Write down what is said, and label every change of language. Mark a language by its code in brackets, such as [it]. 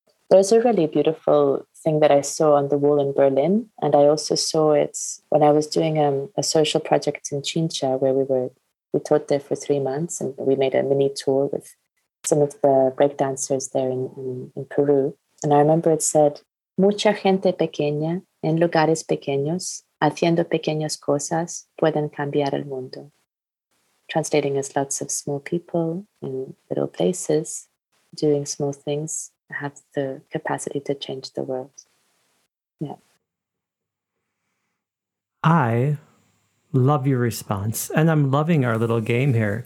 [en] There's a really beautiful thing that I saw on the wall in Berlin, and I also saw it when I was doing a social project in Chincha, where we taught there for 3 months, and we made a mini tour with some of the breakdancers there in Peru. And I remember it said, [es] mucha gente pequeña en lugares pequeños haciendo pequeñas cosas pueden cambiar el mundo. [en] Translating as lots of small people in little places doing small things have the capacity to change the world. Yeah. I love your response, and I'm loving our little game here.